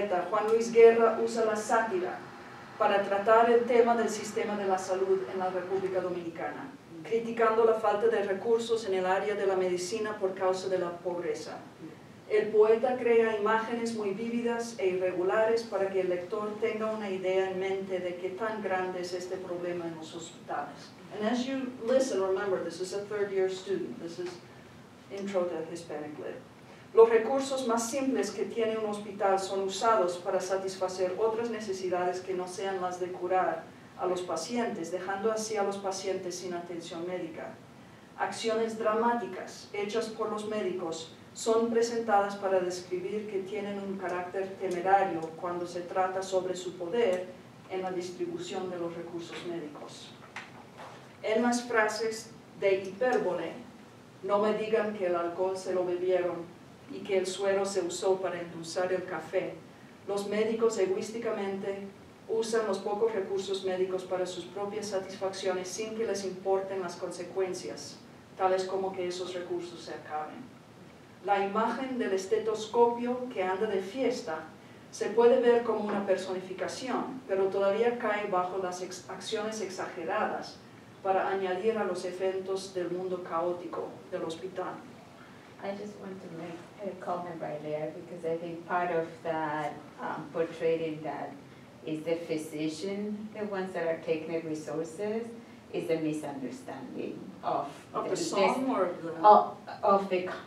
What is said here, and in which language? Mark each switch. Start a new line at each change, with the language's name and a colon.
Spanish: Juan Luis Guerra usa la sátira para tratar el tema del sistema de la salud en la República Dominicana, criticando la falta de recursos en el área de la medicina por causa de la pobreza. El poeta crea imágenes muy vívidas e irregulares para que el lector tenga una idea en mente de qué tan grande es este problema en los hospitales.
English: And as you listen, remember, this is a third year student. This is intro to Hispanic Lit.
Spanish: Los recursos más simples que tiene un hospital son usados para satisfacer otras necesidades que no sean las de curar a los pacientes, dejando así a los pacientes sin atención médica. Acciones dramáticas hechas por los médicos son presentadas para describir que tienen un carácter temerario cuando se trata sobre su poder en la distribución de los recursos médicos. En las frases de hipérbole, no me digan que el alcohol se lo bebieron, y que el suero se usó para endulzar el café, los médicos egoísticamente usan los pocos recursos médicos para sus propias satisfacciones sin que les importen las consecuencias, tales como que esos recursos se acaben. La imagen del estetoscopio que anda de fiesta se puede ver como una personificación, pero todavía cae bajo las acciones exageradas para añadir a los efectos del mundo caótico del hospital.
English: I just want to make a comment right there, because I think part of that portrayed in that is the physician, the ones that are taking the resources, is a misunderstanding of the